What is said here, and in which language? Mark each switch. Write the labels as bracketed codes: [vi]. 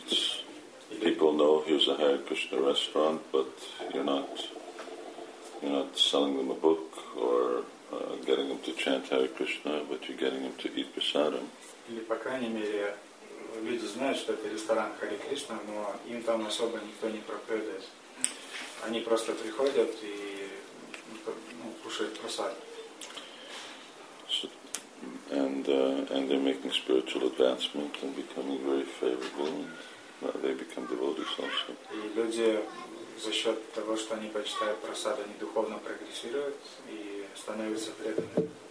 [en] It's, people know here's a Hare Krishna restaurant, but you're not selling them a book or getting them to chant Hare Krishna, but you're getting them to eat prasadam. [ru] Или по крайней мере люди знают, что это ресторан Хари Кришна, но им там особо никто не проповедует. Они просто приходят и кушают просад. [en] And they're making spiritual advancement and becoming very favorable, and they become devotees also. [ru] И люди за счет того, что они почитают просад, они духовно прогрессируют и становятся преданными.